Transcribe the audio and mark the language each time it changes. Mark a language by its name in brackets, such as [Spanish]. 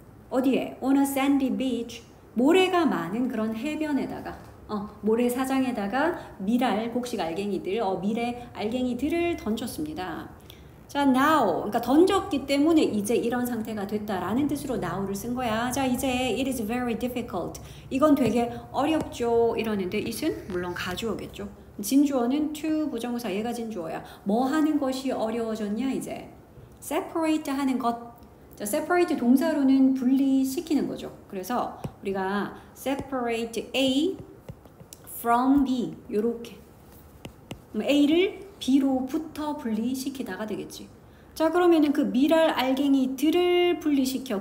[Korean] 어디에? [English] On a sandy beach. [Korean] 모래가 많은 그런 해변에다가 모래사장에다가 밀알, 곡식 알갱이들, 밀의 알갱이들을 던졌습니다. [English] 자, now. [Korean] 그러니까 던졌기 때문에 이제 이런 상태가 됐다라는 뜻으로 now를 쓴 거야. 자, 이제 [English] it is very difficult. [Korean] 이건 되게 어렵죠. 이러는데 it은 물론 가주어겠죠. 진주어는 to 부정사, 얘가 진주어야. 뭐 하는 것이 어려워졌냐, 이제? separate 하는 것. 자, separate 동사로는 분리시키는 거죠. 그래서 우리가 [English] separate A from B. [Korean] 요렇게. A를 B로부터 분리시키다가 되겠지. 자, 그러면은 그 밀알 알갱이들을 분리시켜.